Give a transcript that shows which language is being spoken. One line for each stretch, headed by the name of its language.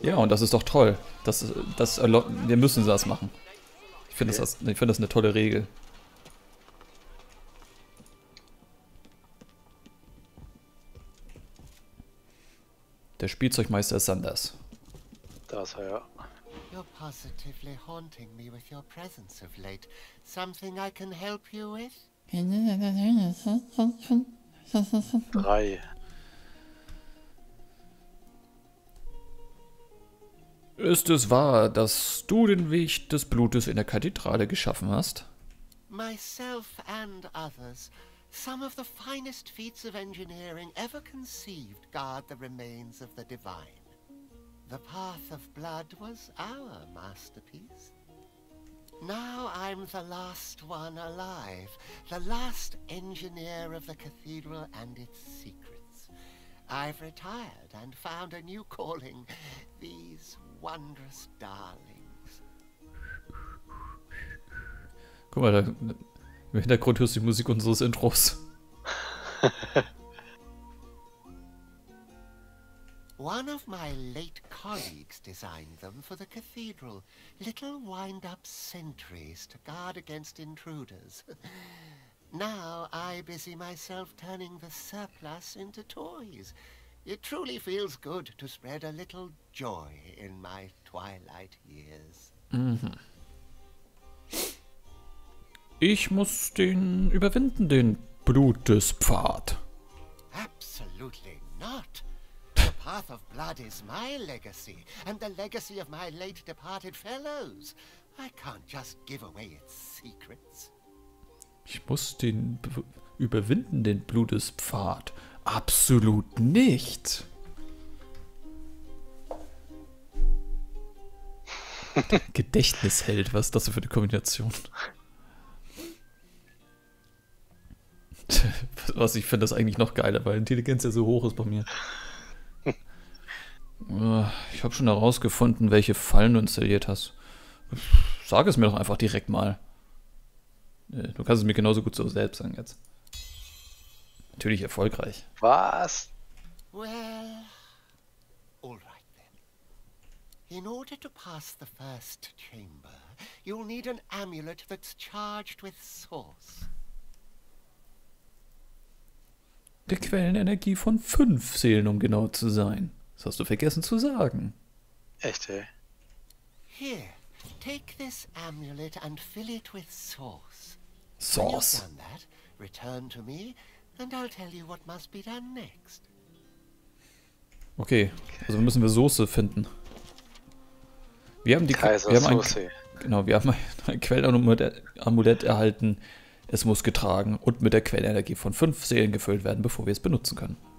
German: Oder? Ja, und das ist doch toll. Wir müssen das machen. Ich finde okay. Ich finde das eine tolle Regel. Der Spielzeugmeister ist Sanders. Da ist er, ja.
English: You're positively haunting me with your presence of late. Something I can help you with? 3.
German: Ist es wahr, dass du den Weg des Blutes in der Kathedrale geschaffen hast?
English: Myself and others. Some of the finest feats of engineering ever conceived guard the remains of the divine. The Path of Blood was our masterpiece. Now I'm the last one alive, the last engineer of the cathedral and its secrets. I've retired and found a new calling, these wondrous darlings.
German: Guck mal, da, im Hintergrund hörst du die Musik unseres Intros.
English: One of my late colleagues designed them for the cathedral. Little wind-up sentries to guard against intruders. Now I busy myself turning the surplus into toys. It truly feels good to spread a little joy in my twilight years. Mhm.
German: Ich muss den überwinden, den Blutespfad.
English: Absolutely not. Path of Blood is my legacy and the legacy of my late departed fellows. I can't just give away its secrets.
German: Ich muss den überwinden, den Blutespfad. Absolut nicht. Gedächtnisheld, was ist das für eine Kombination? Was, ich finde das eigentlich noch geiler, weil Intelligenz ja so hoch ist bei mir. Ich habe schon herausgefunden, welche Fallen du installiert hast. Sag es mir doch einfach direkt mal. Du kannst es mir genauso gut so selbst sagen jetzt. Natürlich erfolgreich. Was?
English: Well, all right then. In order to pass the first chamber, you'll need an amulet that's charged with source.
German: der Quellenenergie von 5 Seelen, um genau zu sein. Das hast du vergessen zu sagen. Echt, ey?
English: Here, take this amulet and fill it with sauce. Sauce. When you've done that, return to me and I'll tell you what must be done next.
German: Okay, also müssen wir Soße finden. Wir haben die wir haben ein Quellenamulett erhalten. Es muss getragen und mit der Quellenenergie von 5 Seelen gefüllt werden, bevor wir es benutzen können.